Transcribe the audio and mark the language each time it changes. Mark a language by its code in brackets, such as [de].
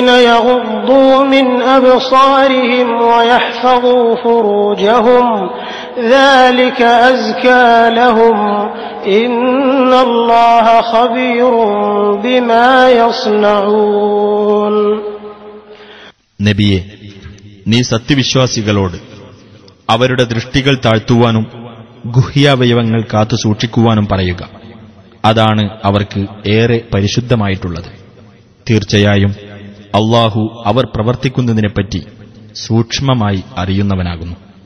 [ar] യഹുദ്ദു മിൻ അബ്സാരിഹിം വയഹ്ഫളു ഫുറൂജഹും ذلك أزكى لهم إن الله خبير بما يصنعون. [ml] നബിയെ, നീ സത്യവിശ്വാസികളോട് അവരുടെ ദൃഷ്ടികൾ താഴ്ത്തുവാനും ഗുഹ്യാവയവങ്ങൾ കാത്തുസൂക്ഷിക്കുവാനും പറയുക. അതാണ് അവർക്ക് ഏറെ പരിശുദ്ധമായിട്ടുള്ളത്. തീർച്ചയായും അള്ളാഹു അവർ പ്രവർത്തിക്കുന്നതിനെപ്പറ്റി സൂക്ഷ്മമായി അറിയുന്നവനാകുന്നു.